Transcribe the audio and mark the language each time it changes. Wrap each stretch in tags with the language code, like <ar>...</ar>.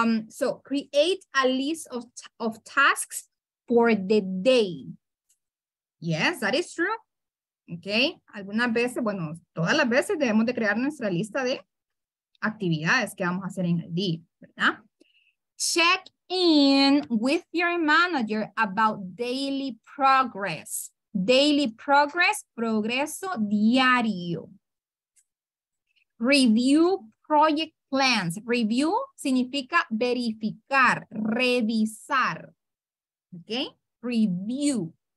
<en>So create a list of tasks for the day. Yes, that is true. Ok.</en> <es>Algunas veces, bueno, todas las veces debemos de crear nuestra lista de actividades que vamos a hacer en el día, ¿verdad?</es> <en>Check in with your manager about daily progress. Daily progress,</en> <es>progreso diario.</es> <en>Review project plans. Review</en> <es>significa verificar, revisar.</es> <en>Okay? Review.</en>